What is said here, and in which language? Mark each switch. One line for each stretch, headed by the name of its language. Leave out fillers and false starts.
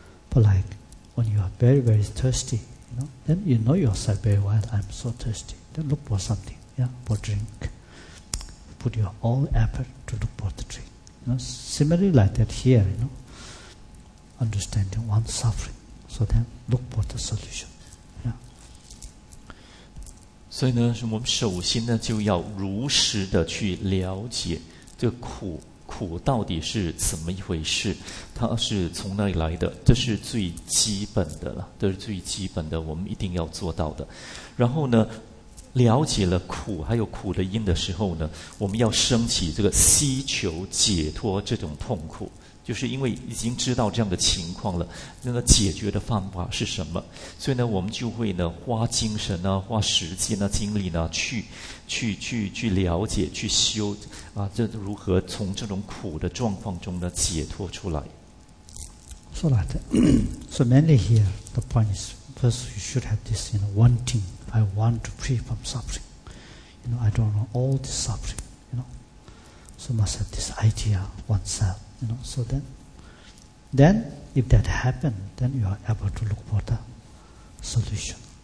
English: But like, when you are very, very thirsty, you know, then you know yourself very well, I'm so thirsty. Then look for something, yeah, for drink. Put your all effort to look for the drink. You know, similarly like that here, you know, understanding one's suffering. So then look for the solution.
Chinese: 所以呢，我们首先呢就要如实的去了解这苦到底是怎么一回事，它是从哪里来的，这是最基本的了，这是最基本的，我们一定要做到的。然后呢，了解了苦还有苦的因的时候呢，我们要升起这个希求解脱这种痛苦，就是因为已经知道这样的情况了，那解决的方法是什么？所以呢，我们就会呢花精神呢、啊、花时间呢、啊、精力呢去了解、去修啊，这如何从这种苦的状况中呢解脱出来
English: ？So that, so mainly here the point is first you should have this, you know, wanting. I want to free from suffering. You know, I don't want all this suffering. You know, so must have this idea oneself. You know, so then if that happens, then you are able to look for the solution.